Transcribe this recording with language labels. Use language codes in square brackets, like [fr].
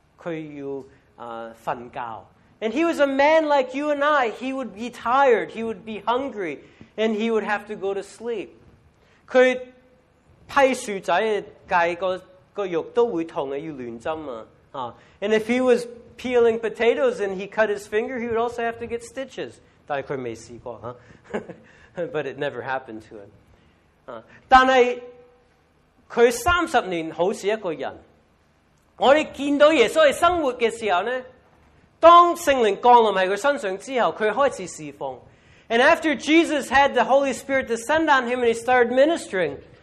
[zh] 他会肚饿,他会疲劳,他要睡觉。 [en] And he was a man like you and I. He would be tired, he would be hungry, and he would have to go to sleep. [zh] 他批树仔的戒,那个肉都会痛,要乱针。 [en] And if he was peeling potatoes and he cut his finger, he would also have to get stitches. [zh] 但是他没试过, huh? [en] But it never happened to him. [zh] 但是, 他30年好像一个人。我们看到耶稣在生活的时候呢，当圣灵降临在他身上之后，他开始侍奉。 [en] And after Jesus had the Holy Spirit descend on him and he started ministering,